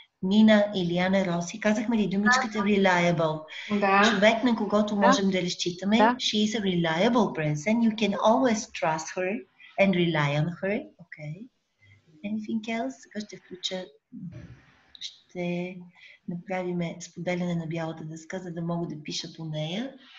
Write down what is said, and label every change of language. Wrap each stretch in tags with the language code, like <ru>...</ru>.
<bg>Нина, Илияна, Роси, казахме ли думичката reliable? Да. Човек, на когото можем да разчитаме,</bg> <en>she is a reliable person. You can always trust her and rely on her.</en> <bg>Окей.</bg> <en>Okay. Anything else?</en> <bg>Сега ще включа... Ще направим споделяне на бялата дъска, за да мога да пиша по нея.</bg>